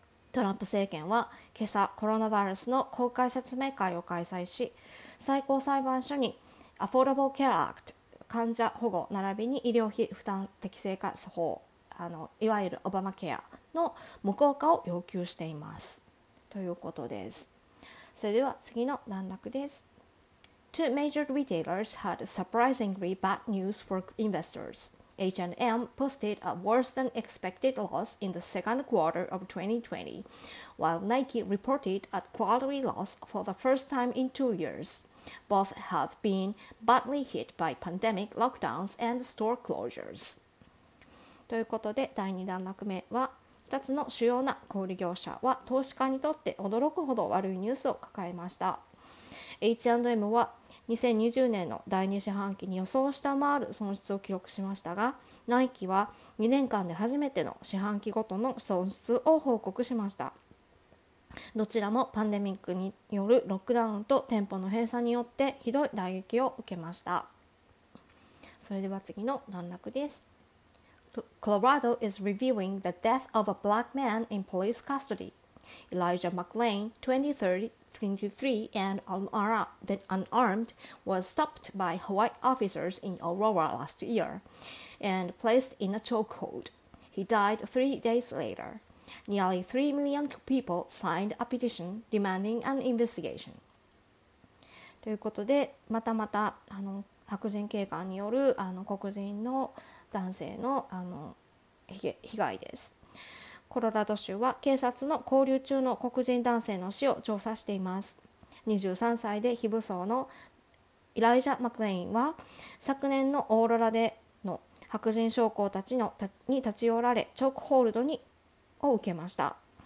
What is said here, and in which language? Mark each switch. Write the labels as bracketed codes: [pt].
[ja] トランプ政権は今朝コロナウイルスの公開説明会を開催し、最高裁判所にアフォーダブルケアアクト、患者保護並びに医療費負担適正化法、いわゆるオバマケアの無効化を要求しています、ということです。それでは次の段落です。 [en] Two major retailers had surprisingly bad news for investors. H&M posted a worse-than-expected loss in the second quarter of 2020, while Nike reported a quarterly loss for the first time in 2 years. Both have been badly hit by pandemic lockdowns and store closures. [ja] ということで、第2段落目は、2つの主要な小売業者は投資家にとって驚くほど悪いニュースを抱えました。 H&M は2020年の第2四半期に予想を下回る損失を記録しましたが、Nike は2年間で初めての四半期ごとの損失を報告しました。どちらもパンデミックによるロックダウンと店舗の閉鎖によってひどい打撃を受けました。それでは次の段落です。 [en] Colorado is reviewing the death of a black man in police custody. Elijah McClain, 23, and unarmed, was stopped by white officers in Aurora last year and placed in a chokehold. He died 3 days later. Nearly 3 million people signed a petition demanding an investigation. [ja] ということで、またまた白人警官による黒人の男性の被害です。コロラド州は警察の勾留中の黒人男性の死を調査しています。 23歳で非武装のイライジャ・マクレインは昨年のオーロラでの白人将校たちのに立ち寄られチョークホールドにを受けました。